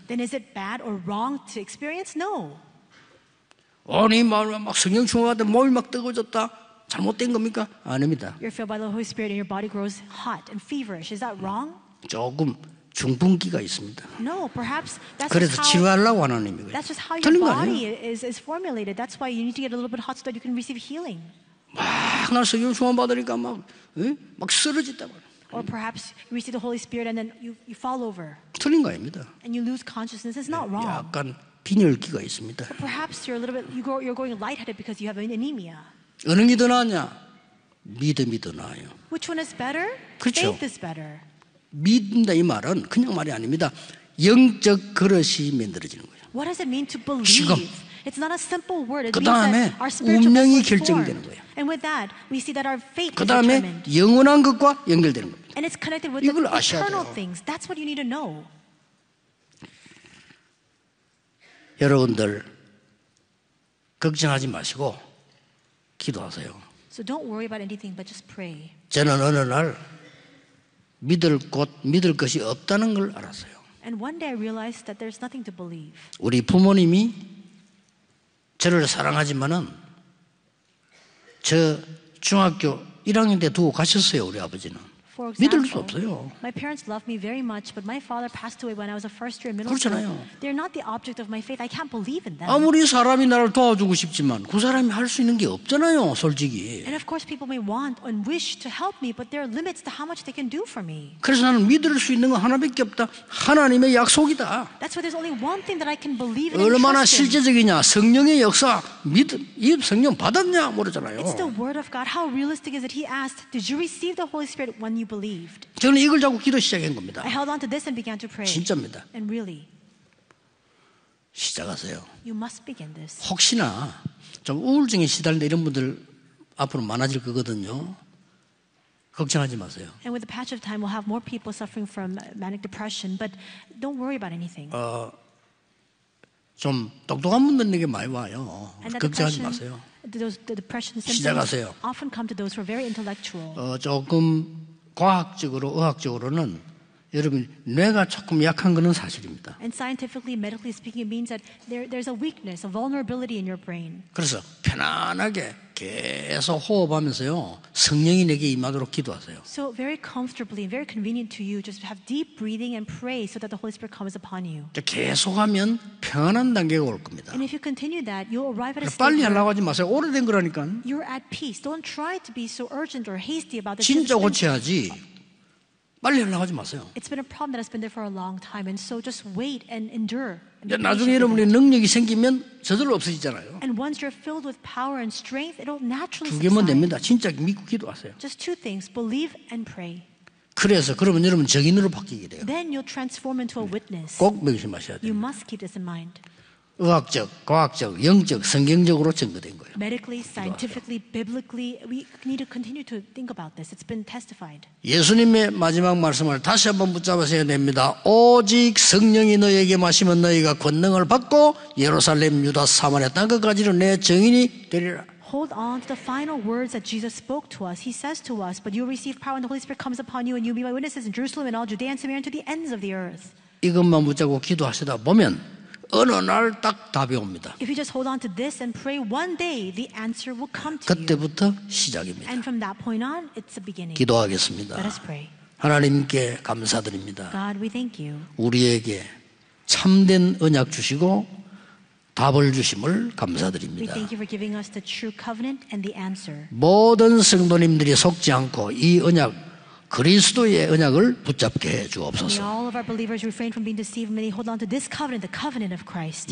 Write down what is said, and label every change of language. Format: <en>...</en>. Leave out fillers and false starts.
<en>Then is it bad or wrong to experience? No.</en> <ko>아니 막 성령 충만한데 몸이 막 뜨거워졌다. 잘못된 겁니까? 아닙니다.</ko> <en>You're filled by the Holy Spirit and your body grows hot and feverish. Is that wrong?</en> <ko>조금 중풍기가 있습니다.</ko> <en>No, perhaps that's</en> <ko>그래서</ko> <en>how,</en> <ko>치료하려고 하는 의미예요.</ko> <en>That's just how your body is formulated. That's why you need to get a little bit hot so that you can receive healing.</en> <ko>막 나 성령 충만 받으니까 막 쓰러지다고.</ko> <en>Or perhaps you receive the Holy Spirit and then you fall over.</en> <ko>틀린 거 아닙니다.</ko> <en>And you lose consciousness. It's not wrong.</en> <ko>약간 빈혈기가 있습니다.</ko> <en>Or perhaps you're a little bit you're going lightheaded because you have anemia.</en> <ko>어느 게 더 나냐? 믿음이 더 나아요.</ko> <en>Which one is better?</en> <ko>그렇죠.</ko> <en>Faith is better.</en> <ko>믿는다 이 말은 그냥 말이 아닙니다. 영적 그릇이 만들어지는 거예요.</ko> <en>What does it mean to believe?</en> <ko>지금</ko> <en>It's not a simple word. It</en> <ko>그다음에</ko> <en>means that our spiritual</en> <ko>운명이 결정되는 거예요.</ko> <en>And with that, we see that our fate is determined.</en> <ko>그다음에 영원한 것과 연결되는 겁니다.</ko> <en>And it's connected with the eternal things. That's what you need to know.</en> <ko>여러분들 걱정하지 마시고 기도하세요.</ko> <en>So don't worry about anything, but just pray.</en> <ko>저는 어느 날 믿을 곳, 믿을 것이 없다는 걸 알았어요.</ko> <en>And one day I realized that there's nothing to believe.</en> <ko>우리 부모님이 저를 사랑하지만은 저 중학교 1학년 때 두고 가셨어요, 우리 아버지는.</ko> <en>For example,</en> <ko>믿을 수 없어요.</ko> <en>My parents loved me very much, but my father passed away when I was a first year in middle</en> <ko>그렇잖아요.</ko> <en>school. They're not the object of my faith. I can't believe in them.</en> <ko>아무리 사람이 나를 도와주고 싶지만 그 사람이 할 수 있는 게 없잖아요, 솔직히.</ko> <en>And of course, people may want and wish to help me, but there are limits to how much they can do for me.</en> <ko>그래서 나는 믿을 수 있는 건 하나밖에 없다. 하나님의 약속이다.</ko> <en>That's why there's only one thing that I can believe in.</en> <ko>얼마나 실제적이냐, 성령의 역사. 믿, 이 성령 받았냐 모르잖아요.</ko> <en>It's the word of God. How realistic is it? He asked, "Did you receive the Holy Spirit when you?" believed.</en> <ko>저는 이걸 잡고 기도 시작한 겁니다.</ko> <en>I held on to this and began to pray.</en> <ko>진짜입니다.</ko> <en>And really.</en> <ko>시작하세요.</ko> <en>You must begin this.</en> <ko>혹시나 좀 우울증에 시달린다 이런 분들 앞으로 많아질 거거든요. 걱정하지 마세요.</ko> <en>And with the patch of time we'll have more people suffering from manic depression, but don't worry about anything.</en> <ko>좀 똑똑한 분들에게 많이 와요. 걱정하지 마세요.</ko> <en>The depression symptoms</en> <ko>시작하세요.</ko> <en>often come to those who are very intellectual.</en> <ko>조금 과학적으로, 의학적으로는 여러분 뇌가 조금 약한 것은 사실입니다.</ko> <en>And scientifically, medically speaking, it means that there's a weakness, a vulnerability in your brain.</en> <ko>그래서 편안하게 계속 호흡하면서요 성령이 내게 임하도록 기도하세요.</ko> <en>So very comfortably, very convenient to you, just have deep breathing and pray so that the Holy Spirit comes upon you.</en> <ko>계속하면 편안한 단계가 올 겁니다.</ko> <en>And if you continue that, you'll arrive at a state.</en> <ko>빨리 하려고 하지 마세요. 오래된 거라니까.</ko> <en>You're at peace. Don't try to be so urgent or hasty about the.</en> <ko>진짜 고쳐야지. 빨리 하려고 하지 마세요.</ko> <en>It's been a problem that has been there for a long time, and so just wait and endure.</en> <ko>나중에 여러분이 능력이 생기면 저절로 없어지잖아요.</ko> <en>And once you're filled with power and strength, it'll naturally.</en> <ko>두 개만 됩니다. 진짜 믿고 기도하세요.</ko> <en>Just two things: believe and pray.</en> <ko>그래서 그러면 여러분 증인으로 바뀌게 돼요.</ko> <en>Then you'll transform into a witness.</en> <ko>꼭 명심하셔야 돼요.</ko> <en>You must keep this in mind.</en> <ko>의학적, 과학적, 영적, 성경적으로 증거된 거예요.</ko> <en>Medically, scientifically, biblically, we need to continue to think about this. It's been testified.</en> <ko>예수님의 마지막 말씀을 다시 한번 붙잡으셔야 됩니다. 오직 성령이 너에게 마시면 너희가 권능을 받고 예루살렘, 유다, 사마리아 땅끝까지로 내 증인이 되리라.</ko> <en>Hold on to the final words that Jesus spoke to us. He says to us, but you'll receive power when the Holy Spirit comes upon you and you'll be my witnesses in Jerusalem and all Judea and Samaria and to the ends of the earth.</en> <ko>이것만 붙잡고 기도하시다 보면 어느 날 딱 답이 옵니다.</ko> <en>If you just hold on to this and pray one day, the answer will come to you.</en> <ko>그때부터 시작입니다.</ko> <en>And from that point on, it's a beginning.</en> <ko>기도하겠습니다.</ko> <en>Let us pray.</en> <ko>하나님께 감사드립니다.</ko> <en>God, we thank you.</en> <ko>우리에게 참된 언약 주시고 답을 주심을 감사드립니다.</ko> <en>We thank you for giving us the true covenant and the answer.</en> <ko>모든 성도님들이 속지 않고 이 언약 그리스도의 언약을 붙잡게 해 주옵소서.</ko> <en>May all of our believers refrain from being deceived, may they hold on to this covenant, the covenant of Christ.</en>